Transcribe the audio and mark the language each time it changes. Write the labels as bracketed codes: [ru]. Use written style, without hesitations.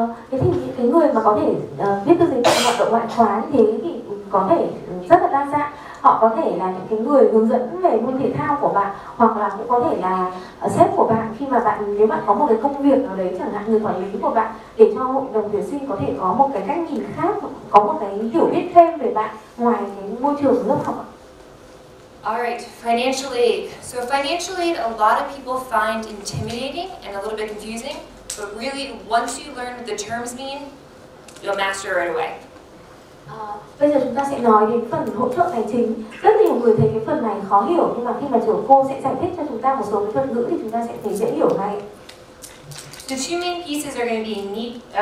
[vi] Thế thì những cái người mà có thể viết thư giới thiệu hoạt động ngoại khóa như thế thì có thể rất là đa dạng. Họ có thể là những cái người hướng dẫn về môn thể thao của bạn, hoặc là cũng có thể là sếp của bạn khi mà bạn, nếu bạn có một cái công việc nào đấy, chẳng hạn người quản lý của bạn, để cho hội đồng tuyển sinh có thể có một cái cách nhìn khác, có một cái hiểu biết thêm về bạn ngoài cái môi trường lớp học. [en] All right, financial aid. So financial aid, a lot of people find intimidating and a little bit confusing, but really, once you learn what the terms mean, you'll master it right away. [vi] Bây giờ chúng ta sẽ nói đến phần hỗ trợ tài chính. Rất nhiều người thấy cái phần này khó hiểu, nhưng mà khi mà trưởng cô sẽ giải thích cho chúng ta một số cái thuật ngữ thì chúng ta sẽ thấy dễ hiểu ngay. [en] The two main pieces are going to be need.